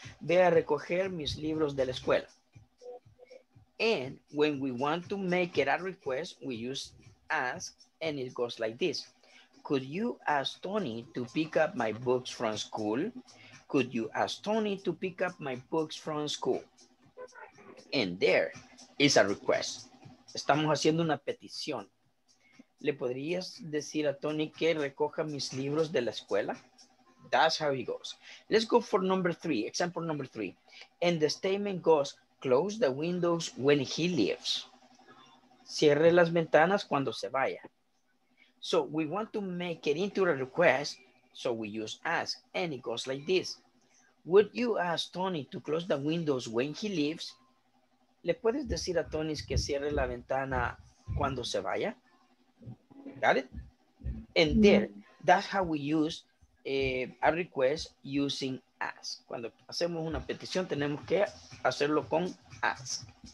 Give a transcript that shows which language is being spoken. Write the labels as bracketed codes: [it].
[es] Ve a recoger mis libros de la escuela. [en] And when we want to make it a request, we use ask, and it goes like this. Could you ask Tony to pick up my books from school? Could you ask Tony to pick up my books from school? And there is a request. [es] Estamos haciendo una petición. ¿Le podrías decir a Tony que recoja mis libros de la escuela? [en] That's how it goes. Let's go for number 3, example number 3. And the statement goes, close the windows when he leaves. [es] Cierre las ventanas cuando se vaya. [en] So we want to make it into a request, so we use ask, and it goes like this. Would you ask Tony to close the windows when he leaves? [es] ¿Le puedes decir a Tony que cierre la ventana cuando se vaya? [en] Got it? And there, that's how we use a request using ask. [es] Cuando hacemos una petición, tenemos que hacerlo con [en] ask.